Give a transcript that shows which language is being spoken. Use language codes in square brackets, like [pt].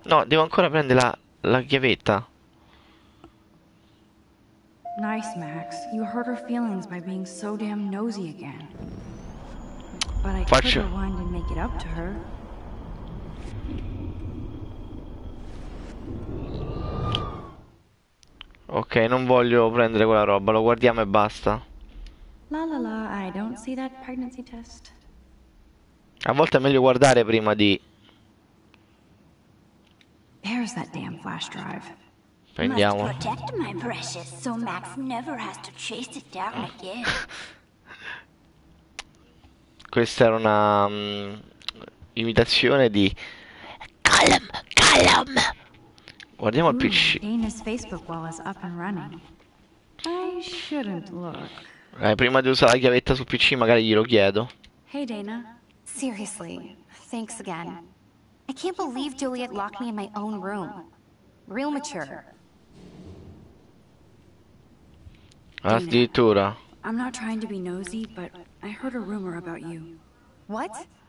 [it] No, devo ancora prendere la chiavetta. [en] Nice, Max. You hurt her feelings by being so damn nosy again. But I could rewind and make it up to her. [it] Ok, non voglio prendere quella roba, lo guardiamo e basta. [en] La la la, I don't see that pregnancy test. [it] A volte è meglio guardare prima di. [en] There's that damn flash drive. [it] Prendiamo. [en] Must protect my precious so Max never has to chase it down again. [it] Questa era una imitazione di Callum, Callum. Guardiamo il PC. [en] Dana's Facebook wall is up and running. I shouldn't look. [it] Prima di usare la chiavetta sul PC magari glielo chiedo. [en] Hey Dana, seriously, thanks again. I can't believe Juliet locked me in my own room. Real mature. [it] Addirittura. [en] I'm not trying to be nosy, but I heard a rumor about you. What?